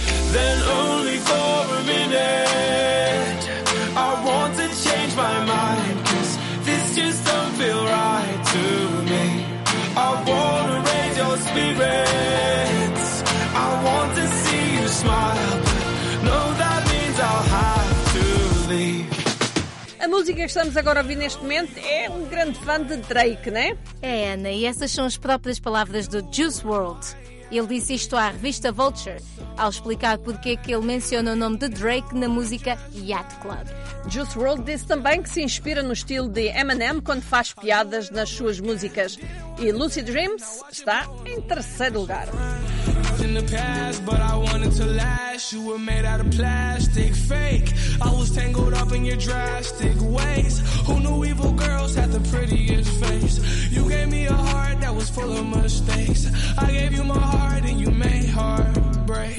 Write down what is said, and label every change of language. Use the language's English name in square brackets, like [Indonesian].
[English] Then only for a minute, I want to change my mind. Cause this just don't feel right to me. I wanna raise your spirits. I want to see you smile. But know that means I'll have to. [Portuguese] música que estamos agora a ouvir neste momento é um grande fã de Drake, não é? É, Ana, e essas são as próprias palavras do Juice WRLD. Ele disse isto à revista Vulture, ao explicar porque é que ele menciona o nome de Drake na música Yacht Club. Juice WRLD disse também que se inspira no estilo de Eminem quando faz piadas nas suas músicas. E Lucid Dreams está em terceiro lugar. [English] In the past, but I wanted to last. You were made out of plastic, fake. I was tangled up in your drastic ways. Who knew evil girls had the prettiest face? You gave me a heart that was full of mistakes. I gave you my heart and you made heartbreak.